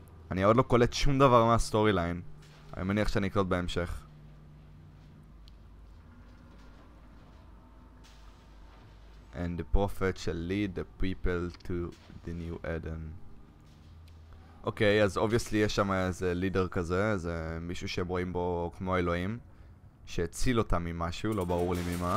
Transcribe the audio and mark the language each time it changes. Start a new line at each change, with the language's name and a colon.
Hebrew: אני עוד לא קולט שום דבר מהסטורי ליין. אני מניח שאני אקלוט בהמשך.
English: And the prophet shall lead the people to the new Eden.
Hebrew: Okay, אז obviously יש שם איזה לידר כזה, איזה מישהו שרואים בו כמו אלוהים. שהציל אותה ממשהו, לא ברור לי ממה.